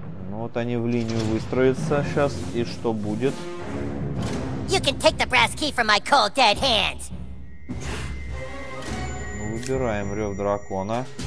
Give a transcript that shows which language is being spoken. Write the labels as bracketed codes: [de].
[ru] Ну вот они в линию выстроятся сейчас, и что будет? [en] You can take the brass key from my cold dead hands. [ru] Ну, выбираем рев дракона.